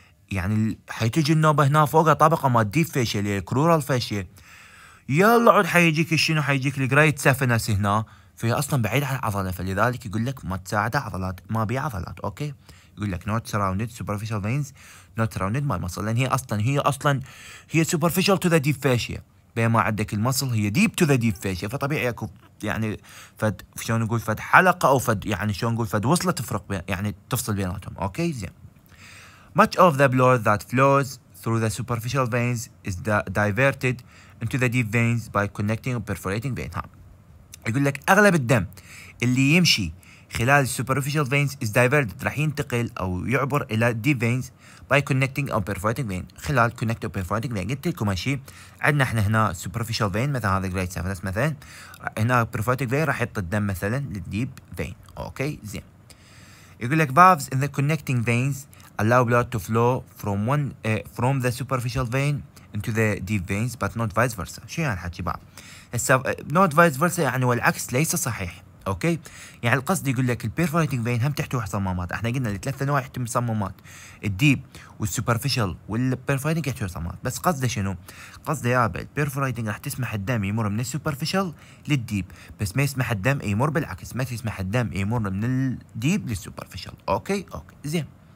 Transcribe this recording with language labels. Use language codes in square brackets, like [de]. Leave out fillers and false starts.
[ar] يعني حيتجي النوبه هنا فوقها طبقه ما ديب فيشيا اللي هي كرورال فيشيا، يلا عود حيجيك شنو؟ حيجيك الجريت سافنس هنا، فهي اصلا بعيده عن العضله، فلذلك يقول لك ما تساعد عضلات، ما بي عضلات، اوكي؟ يقول لك [en] not surround superficial veins not surround my muscle, [ar] لان هي اصلا [en] superficial to the deep fascia, [ar] بينما عندك المصل هي [en] deep to the deep fascia, [ar] فطبيعي اكو يعني فد شلون نقول فد حلقه او فد يعني شلون نقول فد وصله تفرق بين يعني تفصل بيناتهم، اوكي؟ زين. [en] Much of the blood that flows through the superficial veins is diverted into the deep veins by connecting and perforating veins. [ar] يقول لك أغلب الدم اللي يمشي خلال [en] superficial veins is diverted، [ar] راح ينتقل أو يعبر إلى [en] deep veins by connecting and perforating veins، خلال connecting and perforating veins. [ar] قلت لكم هالشيء، عندنا إحنا هنا superficial vein مثلا هذا great saphenous مثلا، هنا perforating vein راح يحط الدم مثلا للdeep vein. أوكي زين. يقول لك [en] valves in the connecting veins allow blood to flow from one from the superficial vein into the deep veins but not vice versa. [ar] شو يعني حكي بعض؟ [en] not vice versa [ar] يعني والعكس ليس صحيح، اوكي؟ يعني القصد يقول لك البيرفوريتنج فين هم تحتوي على صمامات، احنا قلنا الثلاث انواع يحتوي صمامات، الديب والسوبرفيشال والبيرفوريتنج يحتوي صمامات، بس قصده شنو؟ قصده يا بيل البيرفوريتنج راح تسمح الدم يمر من السوبرفيشال للديب، بس ما يسمح الدم يمر بالعكس، ما تسمح الدم يمر من الديب للسوبرفيشال، اوكي؟ اوكي، زين.